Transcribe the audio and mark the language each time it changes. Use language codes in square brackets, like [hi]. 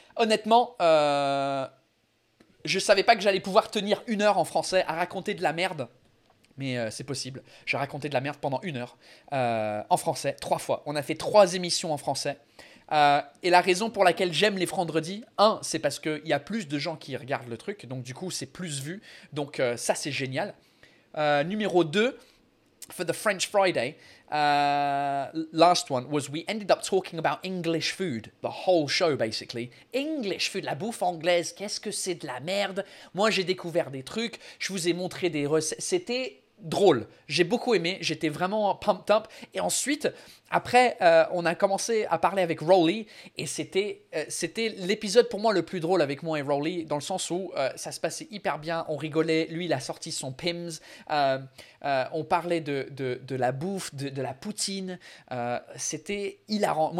[fr] Honnêtement, je savais pas que j'allais pouvoir tenir une heure en français à raconter de la merde. Mais c'est possible. J'ai raconté de la merde pendant une heure en français, trois fois. On a fait trois émissions en français. Et la raison pour laquelle j'aime les vendredis, un, c'est parce qu'il y a plus de gens qui regardent le truc. Donc, du coup, c'est plus vu. Donc, ça, c'est génial. Numéro deux, [en] for the French Friday, last one was we ended up talking about English food, the whole show, basically. English food, [fr] la bouffe anglaise, qu'est-ce que c'est de la merde? Moi, j'ai découvert des trucs, je vous ai montré des recettes. C'était drôle, j'ai beaucoup aimé, j'étais vraiment [en] pumped up. [fr] Et ensuite, après, on a commencé à parler avec Rolly, et c'était l'épisode pour moi le plus drôle avec moi et Rolly, dans le sens où ça se passait hyper bien, on rigolait, lui il a sorti son Pims, on parlait de la bouffe, de la poutine, c'était hilarant.